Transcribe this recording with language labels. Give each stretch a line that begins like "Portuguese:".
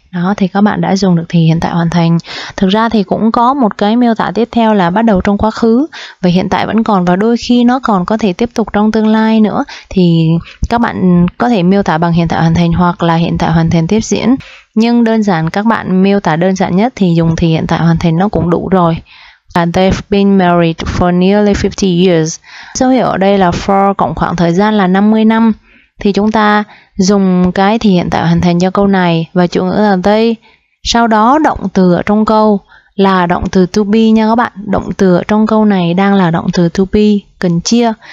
Vietnamese: Đó, thì các bạn đã dùng được thì hiện tại hoàn thành. Thực ra thì cũng có một cái miêu tả tiếp theo là bắt đầu trong quá khứ và hiện tại vẫn còn, và đôi khi nó còn có thể tiếp tục trong tương lai nữa. Thì các bạn có thể miêu tả bằng hiện tại hoàn thành hoặc là hiện tại hoàn thành tiếp diễn. Nhưng đơn giản các bạn miêu tả đơn giản nhất thì dùng thì hiện tại hoàn thành nó cũng đủ rồi.
English: And they've been married for nearly 50 years.
Vietnamese: Dấu hiệu ở đây là for cộng khoảng thời gian là 50 năm. Thì chúng ta dùng cái thì hiện tại hoàn thành cho câu này, và chủ ngữ là they. Sau đó động từ ở trong câu là động từ to be nha các bạn. Động từ ở trong câu này đang là động từ to be, cần chia.